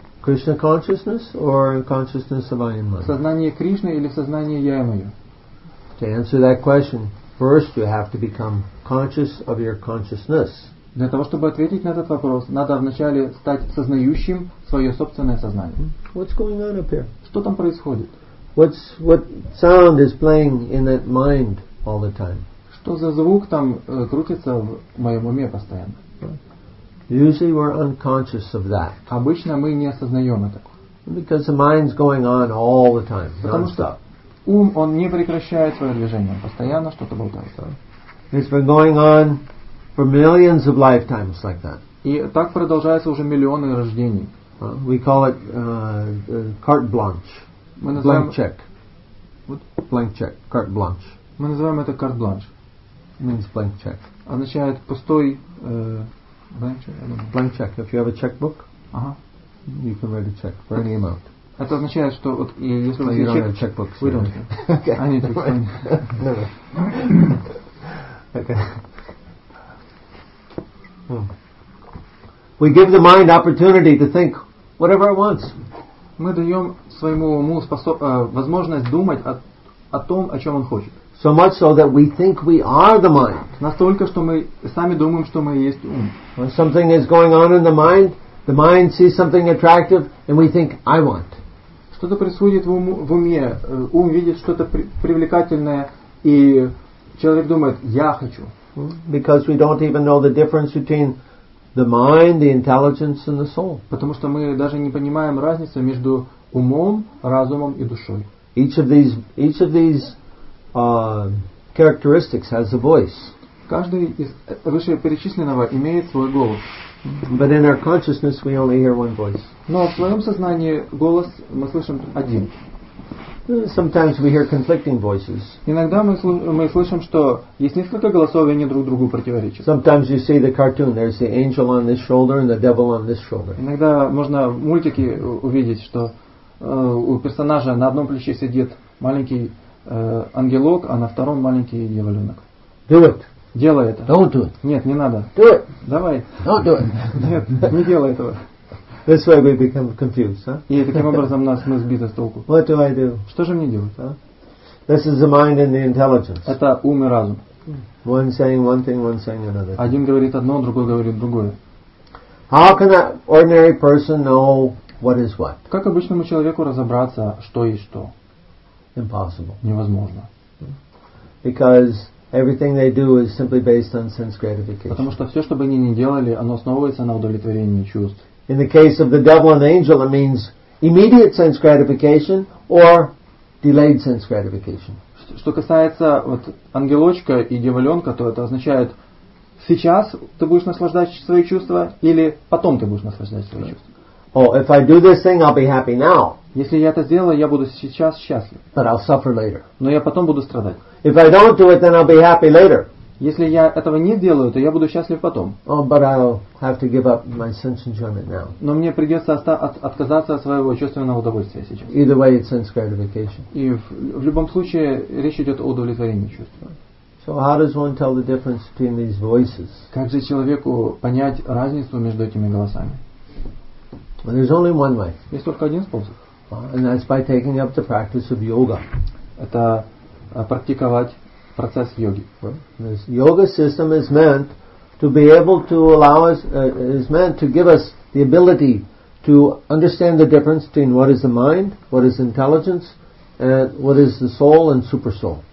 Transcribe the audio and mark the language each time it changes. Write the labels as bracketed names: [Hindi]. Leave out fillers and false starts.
[English] Krishna consciousness or consciousness of I and mine? [Russian] Сознание Кришны или сознание я и мое? [English] To answer that question, first you have to become conscious of your consciousness. [Russian] Для того, чтобы ответить на этот вопрос, надо вначале стать сознающим свое собственное сознание. [English] What's going on up here? [Russian] Что там происходит? [English] What sound is playing in that mind all the time? [Russian] Что за звук там крутится в моем уме постоянно? [English] Usually we're unconscious of that. [Russian] Обычно мы не осознаем это. [English] Because the mind's going on all the time. [Russian] Потому что ум, он не прекращает свое движение, постоянно что-то болтает. [English] It's been going on for millions of lifetimes like that. [Russian] И так продолжается уже миллионы рождений. [English] We call it carte blanche. [Russian] Мы называем [English] blank check. What? Blank check. Carte blanche. [Russian] Мы называем это carte blanche. [English] Means blank check. [Russian] Означает пустой [English] blank check. If you have a checkbook, you can write a check for any amount. [Russian] Это означает, что вот если [English] you don't have a checkbook, we don't. Okay. I need to explain. Okay. We give the mind opportunity to think whatever it wants. [Russian] Мы даем своему уму возможность думать о том, о чем он хочет. [English] So much so that we think we are the mind. [Russian] Настолько, что мы сами думаем, что мы есть ум. [English] When something is going on in the mind sees something attractive, and we think, I want. [Russian] Что-то происходит в уме, ум видит что-то привлекательное, и человек думает, я хочу. [English] Because we don't even know the difference between the mind, the intelligence, and the soul. [Russian] Потому что мы даже не понимаем разницы между умом, разумом и душой. [English] Each of these characteristics has a voice. [Russian] Каждый из вышеперечисленного имеет свой голос. [English] But in our consciousness, we only hear one voice. [Russian] Но в своем сознании голос мы слышим один. [English] Sometimes we hear conflicting voices. [Russian] Иногда мы слышим, что есть несколько голосов, и они друг другу противоречат. [English] Sometimes you see the cartoon. There's the angel on this shoulder and the devil on this shoulder. [Russian] Иногда можно в мультике увидеть, что у персонажа на одном плече сидит маленький ангелок, а на втором маленький дьяволенок. [English] Do it. [Russian] Делай это. [English] Don't do it. [Russian] Нет, не надо. [English] Do it. [Russian] Давай. [English] Don't do it. [Russian] Нет, не делай этого. [English] This way we become confused, huh? [Russian] И таким образом нас мы сбиты с толку. [English] What do I do? [Russian] Что же мне делать, а? [English] This is the mind and the intelligence. [Russian] Это ум и разум. [English] One saying one thing, one saying another. [Russian] Один говорит одно, другой говорит другое. [English] How can an ordinary person know what is what? [Russian] Как обычному человеку разобраться, что есть что? [English] Impossible. [Russian] Невозможно. [English] Because everything they do is simply based on sense gratification. [Russian] Потому что все, что бы они ни делали, оно основывается на удовлетворении чувств. [English] In the case of the devil and the angel, it means immediate sense gratification or delayed sense gratification. [Russian] Что касается вот ангелочка и дьяволенка, то это означает сейчас ты будешь наслаждаться свои чувства или потом ты будешь наслаждаться свои чувства. [English] Oh, if I do this thing, I'll be happy now. [Russian] Если я это сделаю, я буду сейчас счастлив. [English] But I'll suffer later. [Russian] Но я потом буду страдать. [English] If I don't do it, then I'll be happy later. [Russian] Если я этого не сделаю, то я буду счастлив потом. [English] Oh, but I'll have to give up my sense enjoyment now. [Russian] Но мне придется отказаться от своего чувственного удовольствия сейчас. [English] Either way, it's sense gratification. [Russian] И в любом случае речь идет о удовлетворении чувств. [English] So how does one tell the difference between these voices? [Russian] Как же человеку понять разницу между этими голосами? [English] Well, there's only one way. [Russian] Есть только один способ. [English] And that's by taking up the practice of yoga. [Russian] Это практиковать процесс йоги. [English] This yoga system is meant to be able to allow us, is meant to give us the ability to understand the difference between what is the mind, what is intelligence, and what is the soul and super soul.